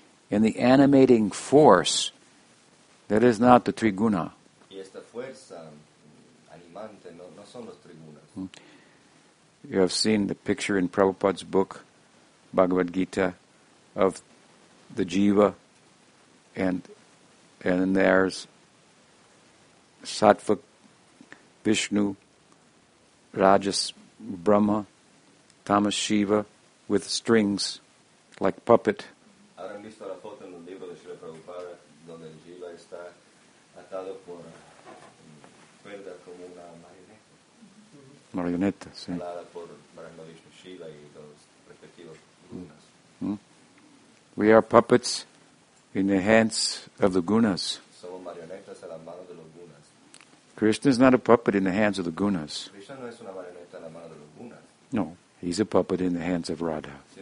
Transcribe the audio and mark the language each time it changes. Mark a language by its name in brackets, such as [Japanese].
[English] And the animating force, that is not the triguna. [Spanish] Y esta fuerza animante no son los trigunas. [English] You have seen the picture in Prabhupada's book, Bhagavad Gita, of the jiva, and there's Sattva, Vishnu, Rajas, Brahma, Tamas, Shiva, with strings, like puppet. [Spanish] ¿Habrán visto la foto en un libro de Srila Prabhupada donde el jiva está atado por cuerda como una marioneta? Marioneta, sí. Atada por Brahma, Vishnu, Shiva y los respectivos gunas. [English] We are puppets in the hands of the gunas. [Spanish] Somos marionetas en las manos de los gunas. [English] Krishna is not a puppet in the hands of the gunas. [Spanish] Krishna no es una marioneta. [English] No, he's a puppet in the hands of Radha.